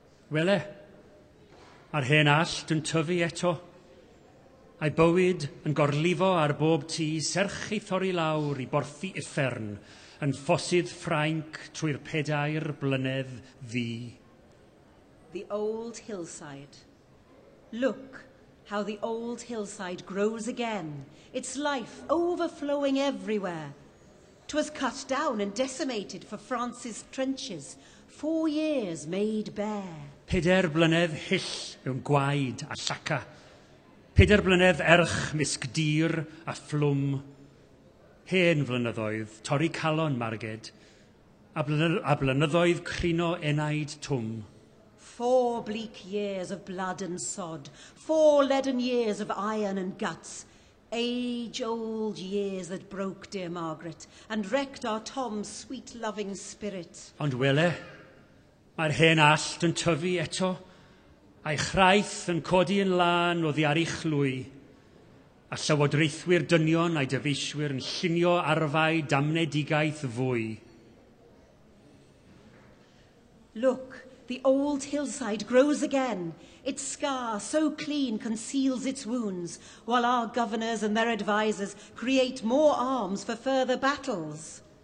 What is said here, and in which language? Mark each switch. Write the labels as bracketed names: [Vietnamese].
[Welsh] Wele, ar hen allt yn tyfu eto, a'i bywyd yn gorlifo ar bob tŷ, serch ei thori lawr i borthu uffern, yn ffosydd ffrainc trwy'r pedair blynedd ddu. [English] The old hillside. Look how the old hillside grows again, its life overflowing everywhere. 'Twas cut down and decimated for France's trenches, 4 years made bare. [Welsh] Peder blynedd hyll yw'n gwaed a llaca. Peder blynedd erch misg dir a phlwm. Hen flynyddoedd torri calon marged, a blynyddoedd crino enaid twm. [English] 4 bleak years of blood and sod, 4 leaden years of iron and guts, age-old years that broke dear Margaret and wrecked our Tom's sweet loving spirit. [Welsh] Ond wele, mae'r hen allt yn tyfu eto, a'i chraith yn codi yn lân o ddiarich lwy, a llywodraethwyr dynion a'i dyfeisiwyr yn llunio arfau damnedigaeth fwy. [English] Look, the old hillside grows again. Its scar so clean conceals its wounds, while our governors and their advisers create more arms for further battles.